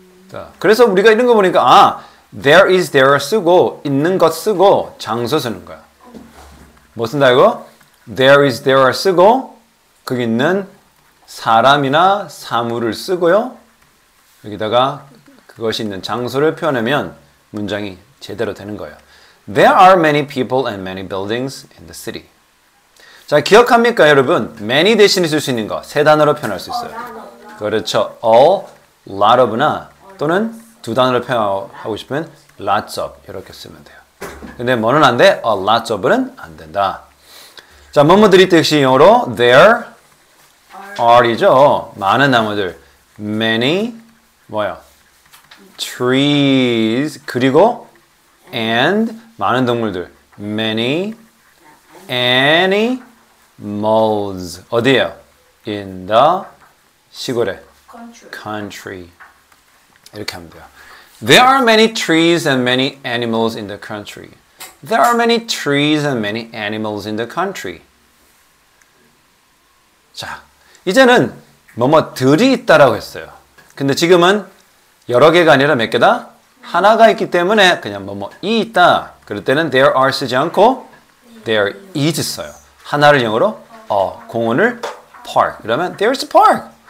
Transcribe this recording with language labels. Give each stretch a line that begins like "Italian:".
Korean: 자, 그래서 우리가 이런 거 보니까 아,
English: there is there
Korean: 쓰고 있는 것 쓰고 장소 쓰는 거야. 뭐 쓴다 이거?
English: There is there
Korean: 쓰고 거기 있는 사람이나 사물을 쓰고요. 여기다가 그것이 있는 장소를 표현하면 문장이 제대로 되는 거예요.
English: There are many people and many buildings in the city.
Korean: 자, 기억합니까, 여러분? Many 대신에 쓸 수 있는 거, 세 단어로 표현할 수 있어요. 그렇죠. All, lot of나 또는 두 단어로 표현하고 싶으면 lots of 이렇게 쓰면 돼요. 근데 뭐는 안 돼?
English: A lots of
Korean: 는 안 된다. 자, 뭐뭐들이 뜻이 영어로 there are이죠. 많은 나무들. Many, 뭐야? Trees, 그리고 and 많은 동물들
English: many animals
Korean: 어디에요?
English: In the
Korean: 시골에
English: country
Korean: 이렇게 하면 돼요.
English: There are many trees and many animals in the country. There are many trees and many animals in the country.
Korean: 자, 이제는 뭐뭐들이 있다라고 했어요. 근데 지금은 여러 개가 아니라 몇 개다? 하나가 있기 때문에 그냥 뭐뭐이 있다. 그럴 때는 there are 쓰지 않고 there is 써요. 하나를 영어로 공원을 park. 그러면
English: there's a park.